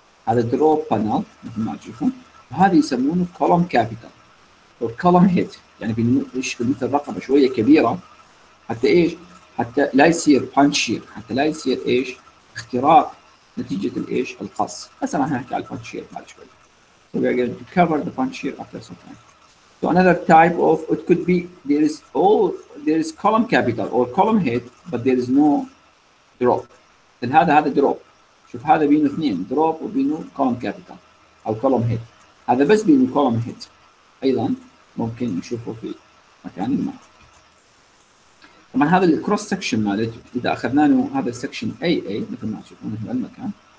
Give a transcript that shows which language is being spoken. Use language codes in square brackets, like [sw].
[ar] هذا دروب بانل مثل ما تشوفون، وهذا يسمونه كولوم كابيتال او كولوم هيت، يعني بيشكل مثل رقبه شويه كبيره، حتى ايش؟ حتى لا يصير بانشير، حتى لا يصير ايش؟ اختراق نتيجه الايش؟ القص. هسه راح نحكي على البانشير بعد شوي. [en] So we are going to cover the punch shear after some time. So another type of it could be there is column capital or column head but there is no drop. Then [ar] هذا [en] drop. [ar] شوف هذا بينه اثنين دروب وبينه كولوم كابيتال او كولوم هيد، هذا بس بينه كولوم هيد، ايضا ممكن نشوفه في مكان ما. طبعا هذا الكروس سكشن مالت اذا اخذنا له هذا السكشن اي اي مثل ما تشوفون هذا المكان.